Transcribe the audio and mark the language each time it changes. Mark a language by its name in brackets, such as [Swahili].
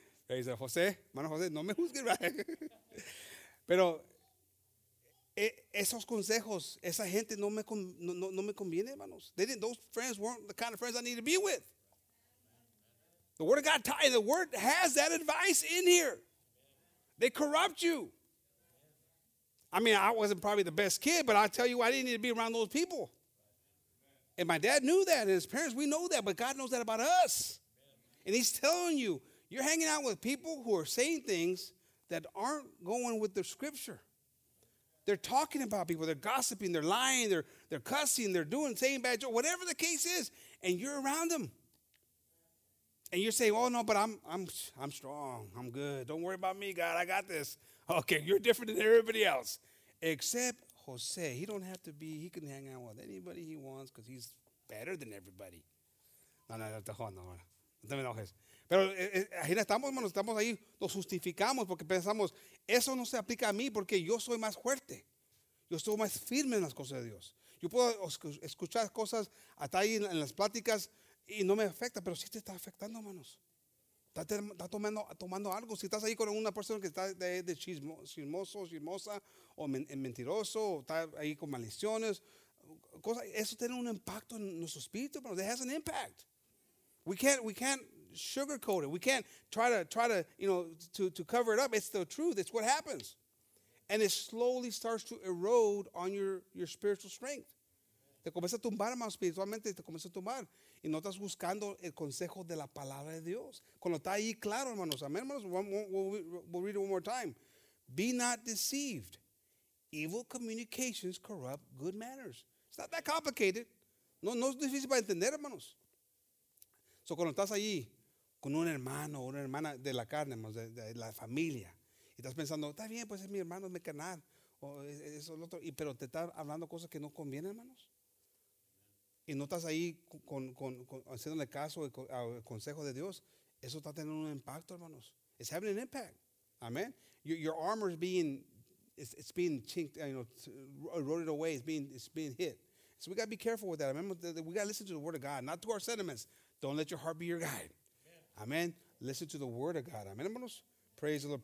[Spanish] Ahí dice, José, hermano José, no me juzgues, ¿verdad? Pero esos consejos, esa gente no me conviene, hermanos. [English] Those friends weren't the kind of friends I need to be with. The Word of God, the Word has that advice in here. They corrupt you. I mean, I wasn't probably the best kid, but I tell you, I didn't need to be around those people. And my dad knew that, and his parents, we know that, but God knows that about us. And he's telling you, you're hanging out with people who are saying things that aren't going with the scripture. They're talking about people. They're gossiping. They're lying. They're cussing. They're doing, saying bad jokes, whatever the case is, and you're around them. And you're saying, oh, no, but I'm strong. I'm good. Don't worry about me, God. I got this. Okay, you're different than everybody else. Except Jose. He don't have to be. He can hang out with anybody he wants because he's better than everybody. [Spanish] No te enojes. Pero ahí estamos, hermanos, estamos ahí, nos justificamos porque pensamos, eso no se aplica a mí porque yo soy más fuerte. Yo estoy más firme en las cosas de Dios. Yo puedo escuchar cosas hasta ahí en las pláticas y no me afecta, pero sí te está afectando, hermanos. Está tomando algo. Si estás ahí con una persona que está de chismoso, chismosa, o mentiroso, o está ahí con maldiciones, cosas, eso tiene un impacto en nuestro espíritu, hermanos. [English] It has an impact. We can't sugarcoat it. We can't try to, you know, to cover it up. It's the truth. It's what happens. And it slowly starts to erode on your spiritual strength. [Spanish] Te comienza a tumbar, hermano, espiritualmente. Te comienza a tumbar. Y no estás buscando el consejo de la palabra de Dios. Cuando está ahí claro, hermanos. Amén, hermanos. [English] We'll read it one more time. Be not deceived. Evil communications corrupt good manners. It's not that complicated. [Spanish] No es difícil para entender, hermanos. So cuando estás allí con un hermano o una hermana de la carne, de la familia, y estás pensando, está bien, pues es mi hermano, es mi canal, o eso, lo otro, y, pero te están hablando cosas que no convienen, hermanos. Y no estás ahí con haciéndole caso al consejo de Dios, eso está teniendo un impacto, hermanos. [English] It's having an impact. Amen. Your armor is being, it's being chinked, you know, eroded away, it's being hit. So we got to be careful with that. Remember that we got to listen to the Word of God, not to our sentiments. Don't let your heart be your guide. Amen. Amen. Listen to the Word of God. Amen. Hermanos. Praise the Lord.